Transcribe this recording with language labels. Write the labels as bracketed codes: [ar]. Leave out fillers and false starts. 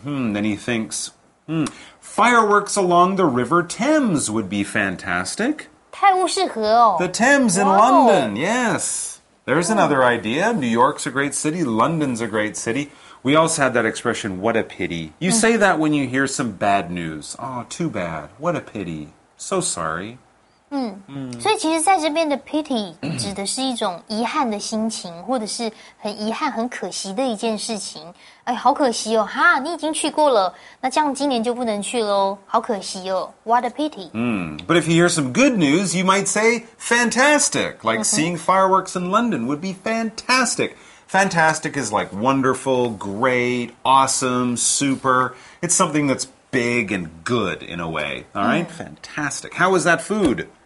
[en] Then he thinks, fireworks along the River Thames would be fantastic. [zh] 太不适合哦。 [en] The Thames in、wow. London, yes. There's another idea. New York's a great city. London's a great city. We also had that expression, what a pity. You、mm. say that when you hear some bad news. Oh, too bad. What a pity. So sorry. [zh] 所以其实在这边的 pity 指的是一种遗憾的心情，或者是很遗憾、很可惜的一件事情。哎，好可惜哦，哈，你已经去过了，那这样今年就不能去咯，好可惜哦。 [en] What a pity. But if you hear some good news, you might say fantastic. Like seeing fireworks in London would be fantastic. Fantastic is like wonderful, great, awesome, super. It's something that's big and good in a way. All right, fantastic. How was that food?